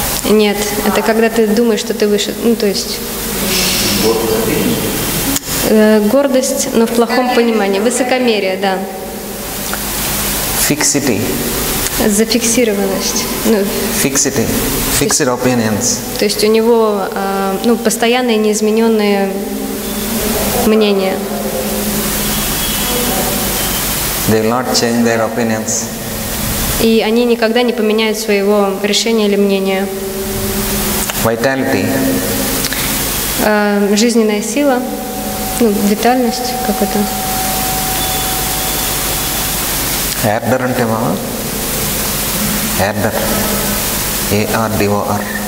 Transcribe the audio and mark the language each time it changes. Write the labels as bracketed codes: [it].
[ru] Нет, это когда ты думаешь, что ты выше, ну то есть гордость, но в плохом понимании, высокомерие, да. [en] Fixity. [ru] Зафиксированность. Ну, [en] fixity. Fixed opinions. [ru] То есть у него ну, постоянные неизмененные мнения. [en] They will not change their opinions. [ru] И они никогда не поменяют своего решения или мнения. [en] Vitality. [ru] Жизненная сила. Ну, витальность, как это. [en] Ardor and devour. Ardor. A-R-D-O-R.